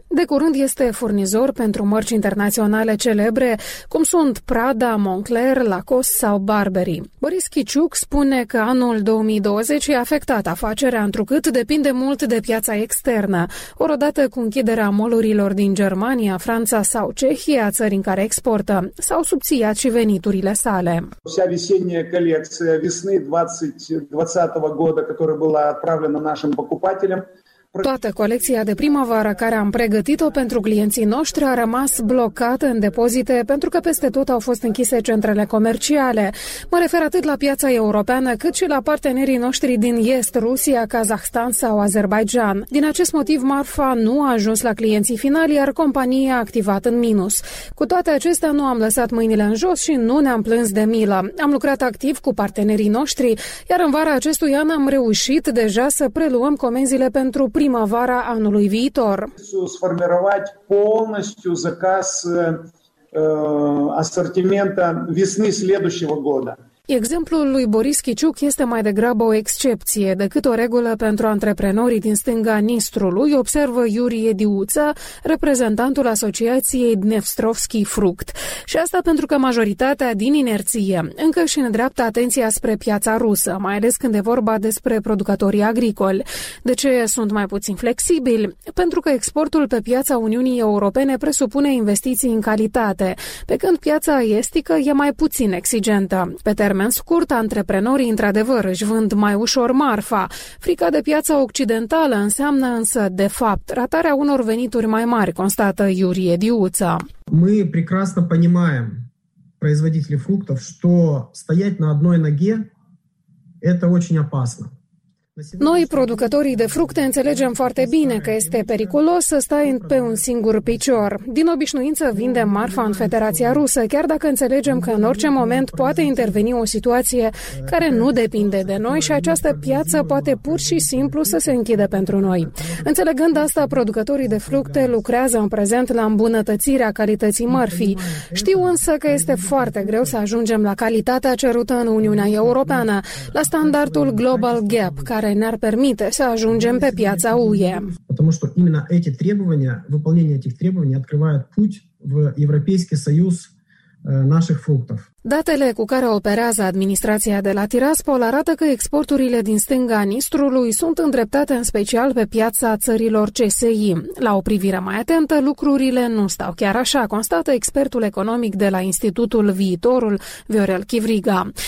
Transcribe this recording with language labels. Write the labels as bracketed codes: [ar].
[ro] De curând este furnizor pentru mărci internaționale celebre, cum sunt Prada, Moncler, Lacoste sau Barbery. Boris Chiciuc spune că anul 2020 i-a afectat afacerea, întrucât depinde mult de piața externă. Orodată cu închiderea molurilor din Germania, Franța sau Cehia, țări în care exportă, s-au subțiat și veniturile sale. [ru] Вся весенняя колекция весны 2020 года, которая была отправлена нашим покупателям, [ro] toată colecția de primăvară care am pregătit-o pentru clienții noștri a rămas blocată în depozite pentru că peste tot au fost închise centrele comerciale. Mă refer atât la piața europeană cât și la partenerii noștri din est, Rusia, Kazahstan sau Azerbaidjan. Din acest motiv, marfa nu a ajuns la clienții finali, iar compania a activat în minus. Cu toate acestea, nu am lăsat mâinile în jos și nu ne-am plâns de milă. Am lucrat activ cu partenerii noștri, iar în vara acestui an am reușit deja să preluăm comenzile pentru primăvara anului viitor. [ru] Сформировать полностью заказ ассортимента весны следующего года. [ro] Exemplul lui Boris Chiciuc este mai degrabă o excepție decât o regulă pentru antreprenorii din stânga Nistrului, observă Iuri Ediuța, reprezentantul asociației Dnevstrovski Fruct. Și asta pentru că majoritatea din inerție încă își îndreaptă atenția spre piața rusă, mai ales când e vorba despre producătorii agricoli. De ce sunt mai puțin flexibili? Pentru că exportul pe piața Uniunii Europene presupune investiții în calitate, pe când piața estică e mai puțin exigentă. Termen scurt, antreprenorii într-adevăr își vând mai ușor marfa. Frica de piața occidentală înseamnă însă, de fapt, ratarea unor venituri mai mari, constată Iurie Diuța. [ru] Мы прекрасно понимаем, производители фруктов, что стоять на одной ноге это очень опасно. [ro] Noi, producătorii de fructe, înțelegem foarte bine că este periculos să stai pe un singur picior. Din obișnuință, vindem marfa în Federația Rusă, chiar dacă înțelegem că în orice moment poate interveni o situație care nu depinde de noi și această piață poate pur și simplu să se închidă pentru noi. Înțelegând asta, producătorii de fructe lucrează în prezent la îmbunătățirea calității mărfii. Știu însă că este foarte greu să ajungem la calitatea cerută în Uniunea Europeană, la standardul Global Gap, care ne-ar permite să ajungem pe piața UE. Pentru că [ru] именно эти требования, выполнение этих требований открывает путь в Европейский Союз наших фруктов. [ro] Datele cu care operează administrația de la Tiraspol arată că exporturile din stânga Nistrului sunt îndreptate în special pe piața țărilor CSI. La o privire mai atentă, lucrurile nu stau chiar așa, constată expertul economic de la Institutul Viitorul, Viorel Chivriga.